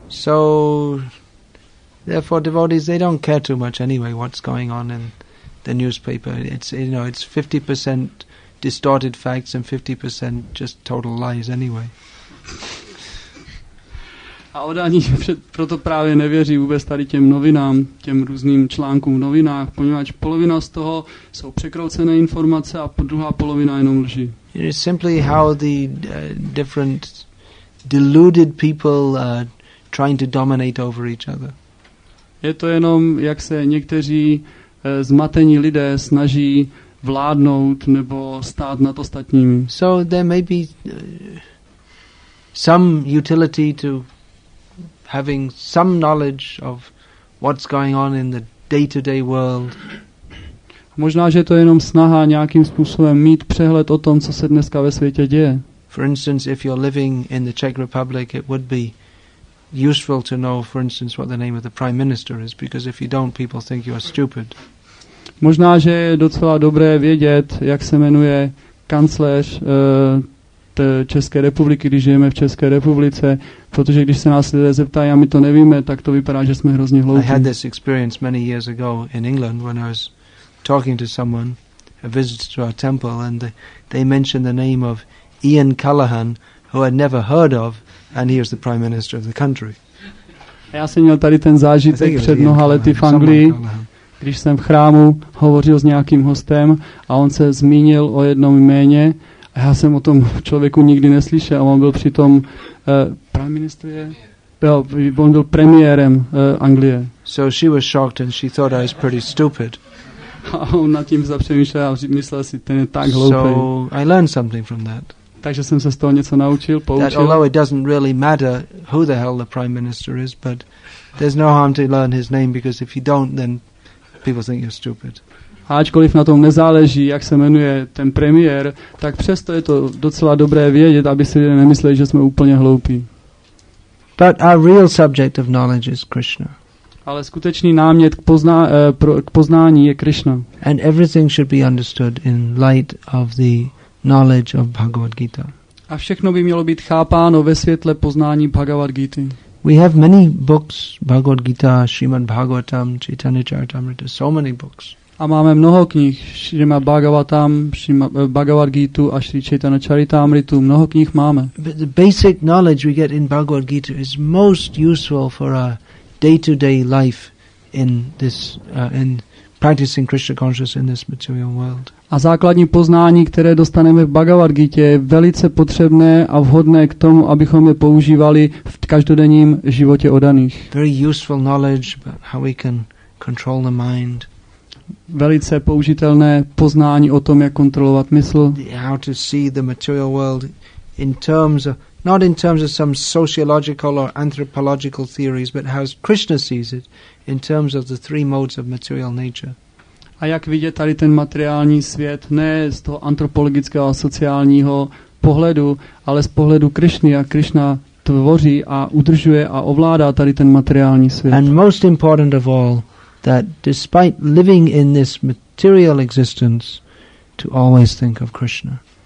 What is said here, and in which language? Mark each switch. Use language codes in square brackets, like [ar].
[en] So therefore devotees, they don't care too much anyway what's going on in the newspaper. It's, you know, it's 50% distorted facts and 50% just total lies anyway. [cs] A odání proto právě nevěří vůbec tady těm novinám, těm různým článkům v novinách, poněvadž polovina z toho jsou překroucené informace a druhá polovina jenom lží. [en] It is simply how the different deluded people are trying to dominate over each other. [cs] Je to jenom, jak se někteří zmatení lidé snaží vládnout nebo stát nad ostatními. [en] So there may be some utility to having some knowledge of what's going on in the day-to-day world. [cs] Možná, že to je jenom snaha nějakým způsobem mít přehled o tom, co se dneska ve světě děje. [en] For instance, if you're living in the Czech Republic, it would be useful to know, for instance, what the name of the prime minister is, because if you don't, people think you are stupid. [cs] Možná, že je docela dobré vědět, jak se jmenuje kancléř České republiky, když žijeme v České republice, protože když se nás lidé zeptají a my to nevíme, tak to vypadá, že jsme hrozně hloupí. [en] I had this experience many years ago in England when I was talking to someone, a visitor to our temple, and they mentioned the name of Ian Callaghan, who I'd never heard of, and he was the prime minister of the country. [cs] Já jsem měl tady ten zážitek před mnoha lety v Anglii, když jsem v chrámu hovořil s nějakým hostem a on se zmínil o jednom jméně. Já jsem o tom člověku nikdy neslyšel a on byl přitom [en] prime minister, [cs] on byl premiérem Anglie. [en] So she was shocked and she thought I was pretty stupid. [cs] A on nad tím zapřemýšlel a myslel si, ten je tak hloupý. [en] So I learned something from that. [cs] Takže jsem se z toho něco naučil, poučil. [en] That although it doesn't really matter who the hell the prime minister is, but there's no harm to learn his name, because if you don't, then people think you're stupid. [cs] A ačkoliv na tom nezáleží, jak se jmenuje ten premiér, tak přesto je to docela dobré vědět, aby si lidé nemysleli, že jsme úplně hloupí. [en] But our real subject of knowledge is Krishna. [cs] Ale skutečný námět k poznání je Krishna. [en] And everything should be understood in light of the knowledge of Bhagavad Gita. [cs] A všechno by mělo být chápáno ve světle poznání Bhagavad Gita. [en] We have many books, Bhagavad Gita, Srimad Bhagavatam, Chaitanya Charitamrita, so many books. [cs] A máme mnoho knih, Srimad Bhagavatam, Bhagavad Gita a Sri Chaitanya Charitamritu, mnoho knih máme. [en] But the basic knowledge we get in Bhagavad Gita is most useful for our day-to-day life in this in practicing Krishna consciousness in this material world. [cs] A základní poznání, které dostaneme v Bhagavad Gita, je velice potřebné a vhodné k tomu, abychom je používali v každodenním životě odaných. [en] Very useful knowledge about how we can control the mind. [cs] Velice použitelné poznání o tom, jak kontrolovat mysl. [en] How to see the material world in terms of, not in terms of some sociological or anthropological theories, but how Krishna sees it in terms of the three modes of material nature. [cs] A jak vidět tady ten materiální svět, ne z toho antropologického a sociálního pohledu, ale z pohledu Krishny, jak Krishna tvoří a udržuje a ovládá tady ten materiální svět. [en] And most important of all, that despite living in this material existence, to always think of Krishna.